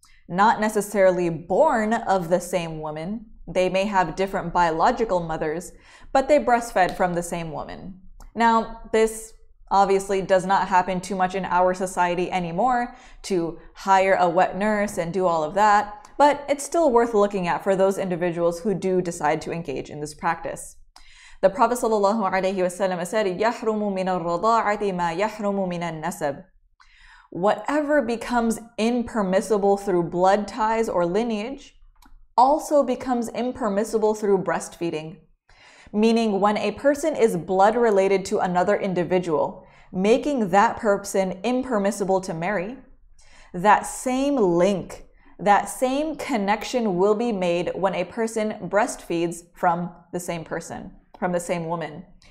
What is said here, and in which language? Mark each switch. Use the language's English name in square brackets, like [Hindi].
[English] Not necessarily born of the same woman. They may have different biological mothers, but they breastfed from the same woman. Now, this obviously does not happen too much in our society anymore, to hire a wet nurse and do all of that, but it's still worth looking at for those individuals who do decide to engage in this practice. The Prophet sallallahu alaihi wasallam said, [Arabic] يَحْرُمُ مِنَ الرَّضَاعَةِ مَا يَحْرُمُ مِنَ النَّسَبِ. [English] Whatever becomes impermissible through blood ties or lineage also becomes impermissible through breastfeeding. Meaning when a person is blood related to another individual, making that person impermissible to marry, that same link, that same connection will be made when a person breastfeeds from the same person, from the same woman.